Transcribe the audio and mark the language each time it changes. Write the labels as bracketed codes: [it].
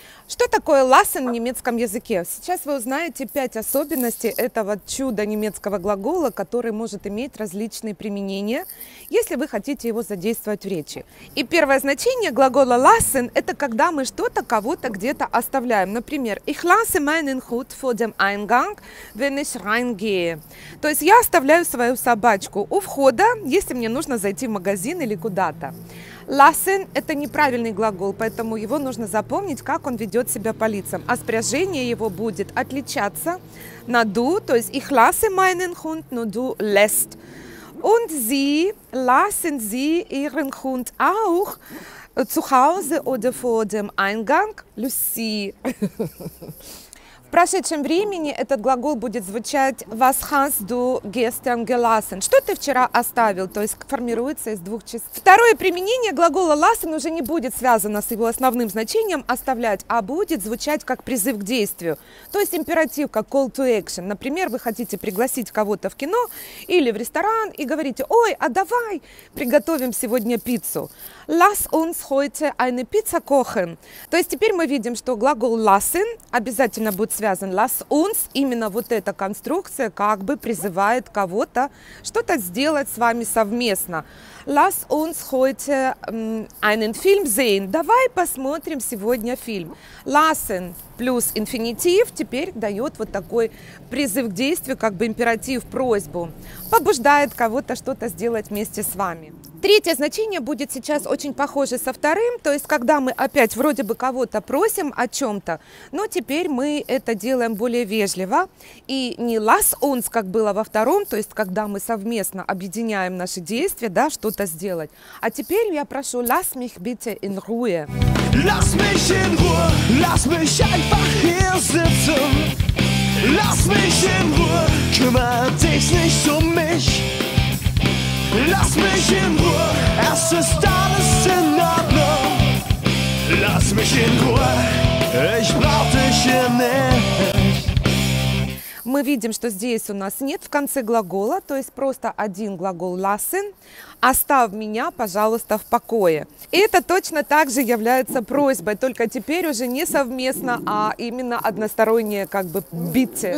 [ru] Что такое lassen в немецком языке? Сейчас вы узнаете 5 особенностей этого чуда немецкого глагола, который может иметь различные применения, если вы хотите его задействовать в речи. И первое значение глагола lassen – это когда мы что-то кого-то где-то оставляем. Например, [de] ich lasse meinen Hund vor dem Eingang, wenn ich reingehe. [ru] То есть я оставляю свою собачку у входа, если мне нужно зайти в магазин или куда-то. Lassen – это неправильный глагол, поэтому его нужно запомнить, как он ведет себя по лицам. А спряжение его будет отличаться на du, то есть [de] ich lasse meinen Hund, [ru] но [de] du lässt. Und sie lassen sie ihren Hund auch zu Hause oder vor dem Eingang, Lucie. [ru] В прошедшем времени этот глагол будет звучать [de] was hast du gestern gelassen? [ru] Что ты вчера оставил? То есть формируется из двух частей. Второе применение глагола lassen уже не будет связано с его основным значением оставлять, а будет звучать как призыв к действию. То есть императив, как [en] call to action. [ru] Например, вы хотите пригласить кого-то в кино или в ресторан и говорите, ой, а давай приготовим сегодня пиццу. [de] Lass uns heute eine Pizza kochen. [ru] То есть теперь мы видим, что глагол lassen обязательно будет связан. [de] Lass uns, [ru] именно вот эта конструкция, как бы призывает кого-то что-то сделать с вами совместно. [de] Lass uns heute einen Film sehen. [ru] Давай посмотрим сегодня фильм. Lassen плюс инфинитив теперь дает вот такой призыв к действию, как бы императив, просьбу. Побуждает кого-то что-то сделать вместе с вами. Третье значение будет сейчас очень похоже со вторым, то есть когда мы опять вроде бы кого-то просим о чем-то, но теперь мы это делаем более вежливо и не [de] lass uns, [ru] как было во втором, то есть когда мы совместно объединяем наши действия, да, что-то сделать. А теперь я прошу [de] lass mich bitte in Ruhe. Lass mich in Ruhe, lass mich einfach hier sitzen. Lass mich in Ruhe, kümmert dich nicht um mich. Lass mich in Ruhe, es ist alles in Ordnung. Lass mich in Ruhe, ich brauch dich hier nicht. [ru] Мы видим, что здесь у нас нет в конце глагола, то есть просто один глагол lassen. Оставь меня, пожалуйста, в покое. И это точно так же является просьбой, только теперь уже не совместно, а именно одностороннее, как бы, [de] bitte.